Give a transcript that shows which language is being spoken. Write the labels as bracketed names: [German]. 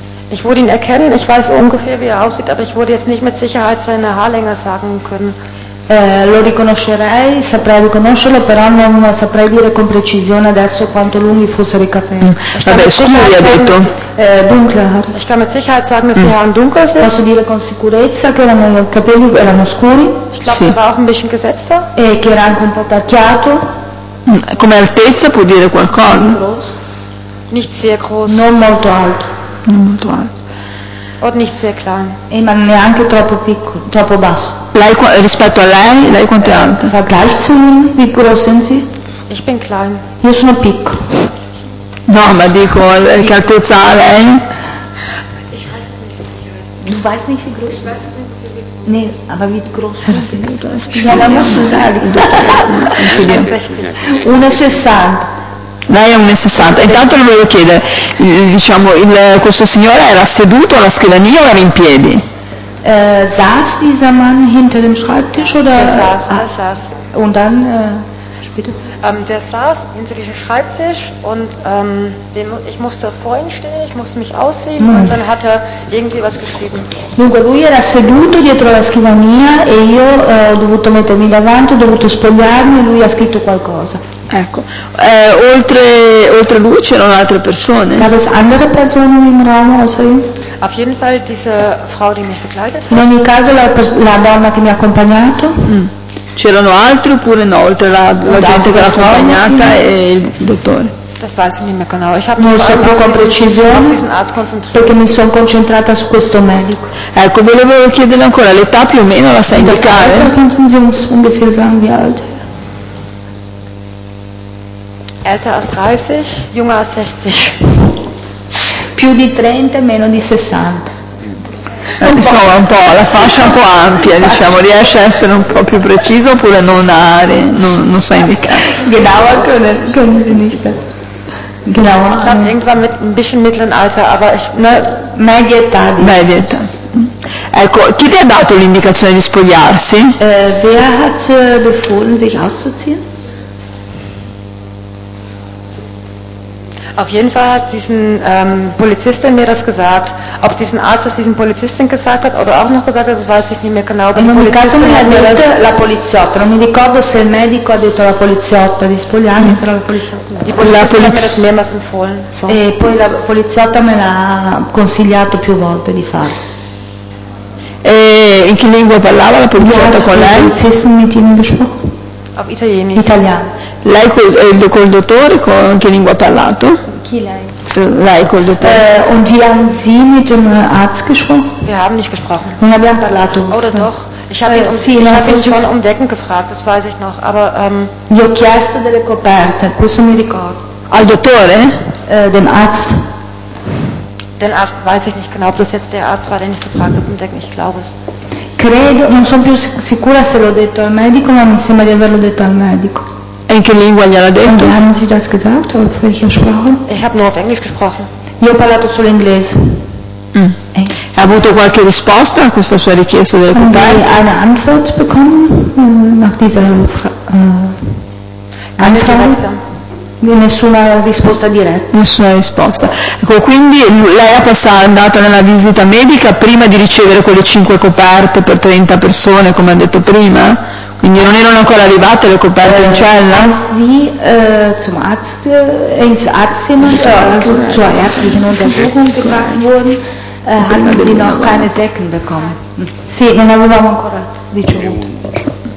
[German] Ich würde ihn erkennen, ich weiß ungefähr, wie er aussieht, aber ich würde jetzt nicht mit Sicherheit seine Haarlänge sagen können. [Italian] Lo riconoscerei, saprei riconoscerlo, però non saprei dire con precisione adesso quanto lunghi fossero i capelli. Vabbè, scusi, ha detto. [German] Dunkle Haare. Ich kann mit Sicherheit sagen, dass die Haare dunkel sind. [Italian] Posso dire con sicurezza che i capelli erano scuri. [German] Ich glaube, sì. War auch ein bisschen gesetzter. [Italian] E che era anche un po' tarchiato. Come altezza può dire qualcosa? [German] Nicht sehr groß. [Italian] Non molto alto. Non molto alto. [German] Und nicht sehr klein. [Italian] E ma neanche troppo piccolo, troppo basso. Lei, rispetto a lei, lei quanto è alta? [German] Vergleich zu ihm, wie groß sind Sie? Ich bin klein. [Italian] Io sono piccolo. No, ma dico, che altezza ha lei? [German] Ich weiß nicht, du weißt nicht, wie groß ich weiß, wie groß nee, ist. Aber wie groß sind Sie? Ja, ma musst du sagen. 1,60. [Italian] Lei è 1,60. Intanto le voglio chiedere, diciamo, questo signore era seduto alla scrivania o era in piedi? [German] Saß dieser Mann hinter dem Schreibtisch oder? Er saß. Und dann Der saß hinter diesem Schreibtisch und ich musste vor ihm stehen, ich musste mich ausziehen und dann hat er irgendwie was geschrieben. [Italian] Dunque, lui era seduto dietro la scrivania e io ho dovuto mettermi davanti, ho dovuto spogliarmi e lui ha scritto qualcosa. Ecco. Oltre lui c'erano altre persone. [German] Gab es andere Personen im Raum außer ihm? Auf jeden Fall diese Frau, die mich begleitet hat. [Italian] In ogni caso la donna che mi ha accompagnato. Mm. C'erano altri oppure no, oltre la gente che l'ha accompagnata e il dottore? [German] Das weiß ich nicht mehr genau. Ich [Italian] non so più con precisione perché mi sono concentrata su questo medico. Ecco, volevo chiederle ancora l'età più o meno, la sa indicare? Da quanto [German] sie uns ungefähr sagen wie alt? Älter als 30, jünger als 60. [Italian] Più di 30, meno di 60. Insomma, un po' la fascia un po' ampia, diciamo, riesce a essere un po' più preciso oppure non ha, non sa indicare. [German] Genauer können Sie nicht. Genauer. Ich glaube, irgendwann mit ein bisschen mittleren Alter, aber ich, [Italian] ne, media età. Media età. Ecco, chi ti ha dato l'indicazione di spogliarsi? [German] Wer hat befohlen, sich auszuziehen? Auf jeden Fall hat diesen Polizistin mir das gesagt. Ob diesen Arzt das diesen Polizistin gesagt hat oder auch noch gesagt hat, das weiß ich nicht mehr genau. [Italian] In ogni caso mi ha detto la poliziotta. Non mi ricordo se il medico ha detto la poliziotta di spogliarmi, però la poliziotta. [German] Die Polizistin hat mir das mehrmals empfohlen. So. [Italian] E poi la poliziotta me l'ha consigliato più volte di fare. E in che lingua parlava la poliziotta con lei? [German] La poliziotta mit ihm gesprochen. Auf Italienisch. [Italian] Italiano. Lei col dottore, con che lingua ha parlato? Chi lei? Lei col dottore. [German] Und wie haben Sie mit dem Arzt gesprochen? Wir haben nicht gesprochen. [Italian] Non abbiamo parlato. [German] Oder doch? Ich habe ihn schon um Decken gefragt, das weiß ich noch. Aber [Italian] gli ho chiesto delle coperte, questo mi ricordo. Al dottore? [German] Dem Arzt. Den Arzt weiß ich nicht genau, ob das jetzt der Arzt war, den ich gefragt habe um Decken, ich glaube es. [Italian] Credo, non sono più sicura se l'ho detto al medico, ma mi sembra di averlo detto al medico. In che lingua gliel'ha detto? [German] Haben Sie das gesagt? Auf welcher Sprache? Ich habe nur auf Englisch gesprochen. [Italian] Io ho parlato solo inglese. Ha avuto qualche risposta a questa sua richiesta del coperte? [German] Haben Sie eine Antwort bekommen nach dieser Anfrage? [Italian] Nessuna risposta diretta. Nessuna risposta. Ecco, quindi lei è andata nella visita medica prima di ricevere quelle 5 coperte per 30 persone, come ha detto prima? Quindi non erano ancora arrivate le coperte in cella? [German] Sì, zum Arzt, ins Arztzimmer, also zur ärztlichen Untersuchung gebracht wurden, hatten sie noch keine Decken bekommen. [Italian] Sì, non avevamo ancora ricevuto.